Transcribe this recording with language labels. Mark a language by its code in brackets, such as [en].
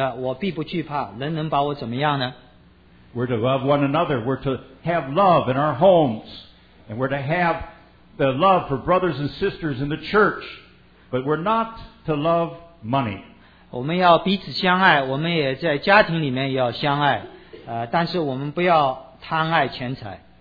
[zh] 这边也讲到第五、第六节讲到这个爱也是受制约的。你们的爱贪，诚心不可贪爱钱财，要以自己所有为主，因为主曾说：“我总不撇下你，也不丢弃你。”所以我们可以放胆的说：“主是帮助我的，我必不惧怕。人能把我怎么样呢？” [en] We're to love one another. We're to have love in our homes. And we're to have the love for brothers and sisters in the church. But we're not to love money. [zh] 我们要彼此相爱，我们也在家庭里面要相爱，但是我们不要贪爱钱财。